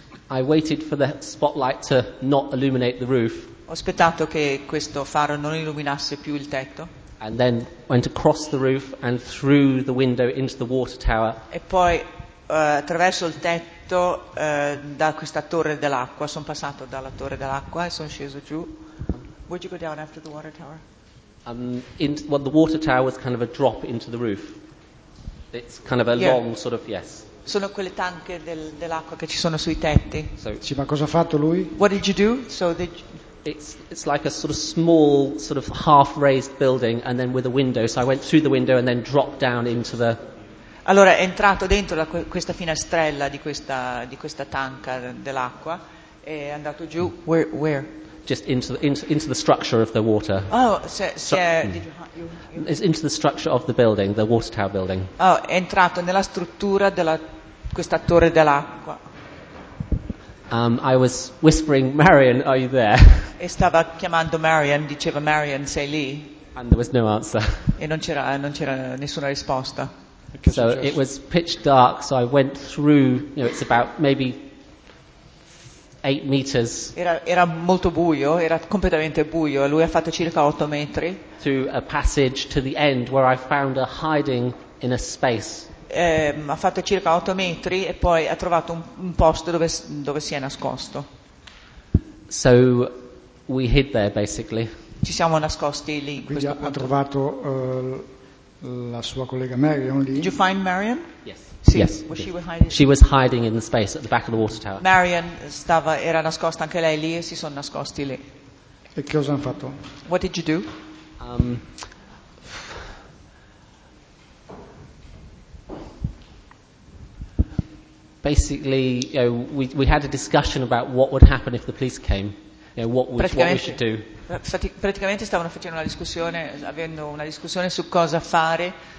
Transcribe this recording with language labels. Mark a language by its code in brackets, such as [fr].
[en] I waited for the spotlight to not illuminate the roof. [it] Ho aspettato che questo faro non illuminasse più il tetto. [en] and then went across the roof and through the window into the water tower. [it] E poi attraverso il tetto da questa torre dell'acqua, sono passato dalla torre dell'acqua e sono sceso giù. [en] Would you go down after the water tower? Well, the water tower was kind of a drop into the roof. It's kind of a long sort of yes. [it] Sono quelle tanche dell'acqua che ci sono sui tetti. Sì, ma cosa ha fatto lui? [en] What did you do? So did it's like a sort of small sort of half raised building and then with a window. So I went through the window and then dropped down into the. [it] Allora è entrato dentro questa finestrella di questa tanca dell'acqua e è andato giù. [en] Where? Just into the structure of the water. Oh, it's into the structure of the building, the water tower building. [it] Oh, è entrato nella struttura della questa torre dell'acqua. [en] I was whispering, "Marion, are you there?" [it] E stava chiamando Marion, diceva Marion, sei lì? [en] And there was no answer. [it] E non c'era nessuna risposta. [en] So it was pitch dark. So I went through. You know, it's about maybe 8 meters. [it] Era molto buio, era completamente buio. Lui ha fatto circa 8 metri. [en] Through a passage to the end, where I found a hiding in a space. [it] Ha fatto circa 8 metri e poi ha trovato un posto dove si è nascosto. [en] So we hid there, basically. [it] Ci siamo nascosti lì. Quindi ha trovato la sua collega Marion lì. [en] Did you find Marion? Yes. [it] Sì, [en] yes, was she, she was hiding in the space at the back of the water tower. [it] Marion era nascosta anche lei lì e si sono nascosti lì. E cosa hanno fatto? [en] What did you do? Basically, you know, we had a discussion about what would happen if the police came. You know, what we should do. [it] Praticamente stavano facendo una discussione su cosa fare.